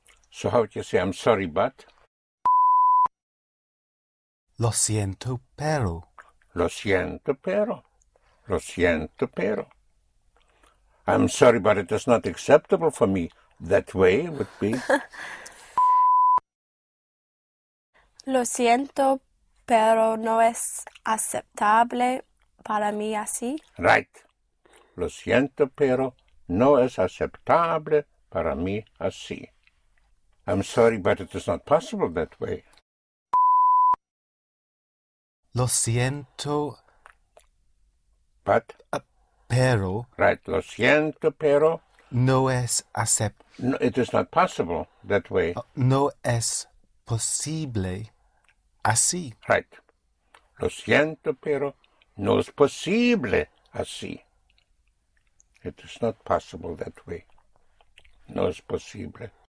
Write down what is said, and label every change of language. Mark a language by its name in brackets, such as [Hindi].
[English] So how would you say I'm sorry, but? [Spanish] Lo siento, pero. Lo siento, pero. Lo siento, pero. [English] I'm sorry, but it is not acceptable for me. That way would be. [Spanish] Lo siento, pero no es aceptable para mí así. [English] Right. [Spanish] Lo siento, pero no es aceptable para mí así. [English] I'm sorry, but it is not possible that way. [Spanish] Lo siento, [English] but, [Spanish] pero, right, lo siento, pero, no es aceptable, [English] no, it is not possible that way, [Spanish] no es posible así, right, lo siento, pero, no es posible así, [English] it is not possible that way, [Spanish] no es posible así.